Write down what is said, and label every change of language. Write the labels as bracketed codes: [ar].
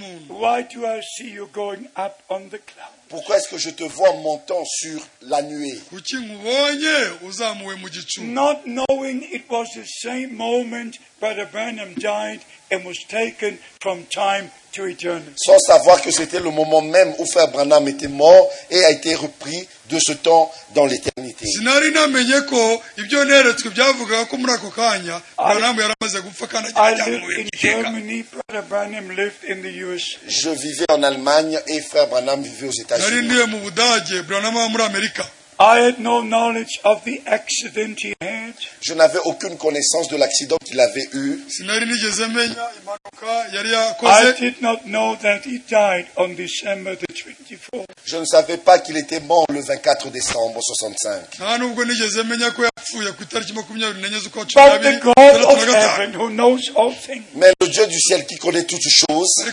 [en] Why do I see you going up on the cloud? [fr] Pourquoi est-ce que je te vois montant sur la nuée? [en] Not knowing it was the same moment Brother Branham died and was taken from time to eternity. [fr] Sans savoir que c'était le moment même où Frère Branham était mort et a été repris de ce temps dans l'éternité. Je vivais en Allemagne et Frère Branham vivait aux États-Unis. [en] I had no knowledge of the accident he had. [fr] Je n'avais aucune connaissance de l'accident qu'il avait eu. [en] I did not know that he died on December the 24th. [fr] Je ne savais pas qu'il était mort le 24 décembre 65. [en] But the God of heaven who knows all things. [fr] Mais le Dieu du ciel qui connaît toutes choses